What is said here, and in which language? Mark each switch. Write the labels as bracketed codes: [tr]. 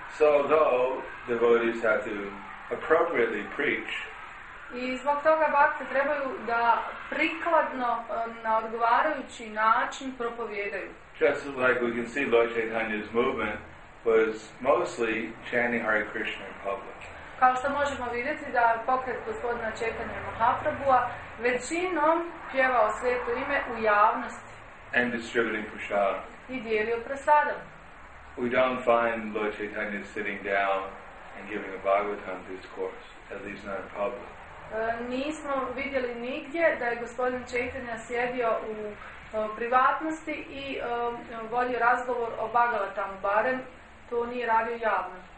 [en] So though devotees have to appropriately preach. [bs] I zbog toga bhakte trebaju da prikladno, na odgovarajući način propovjedaju. [en] Just like we can see Lord Chaitanya's movement was mostly chanting Hare Krishna in public. [bs] Kao što možemo vidjeti da pokret gospodina Čekanja Mahaprabhuva većinom pjevao svijetu ime u javnosti. [en] And distributing prasadam. [bs] I dijelio prasadam. [en] We don't find Lord Chaitanya sitting down and giving a Bhagavatam discourse, at least not in public. [bs] Nismo vidjeli nigdje da je gospodin Čekanja sjedio u privatnosti i vodio razgovor o Bhagavatamu, barem to nije radio javno.